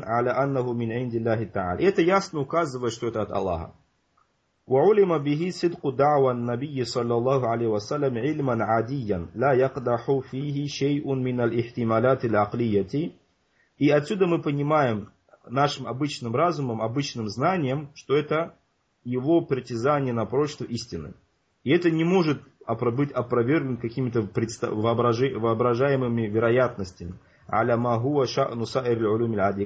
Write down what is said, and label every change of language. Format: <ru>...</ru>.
<ru>Это ясно указывает, что это от Аллаха.</ru> <ar>وعلم به صدق دعوى النبي صلى الله عليه وسلم علما عاديا لا يقدح فيه شيء من الاحتمالات العقلية.</ar> <ru>И отсюда мы понимаем нашим обычным разумом, обычным знанием, что это его притязание на пророчество истины. И это не может быть опровергнуто какими-то воображаемыми вероятностями.</ru> <ar>عَلَى مَا هُوَ شَأْنُ سَائِرِ الْعُلُومِ الْعَادِيَةِ.</ar>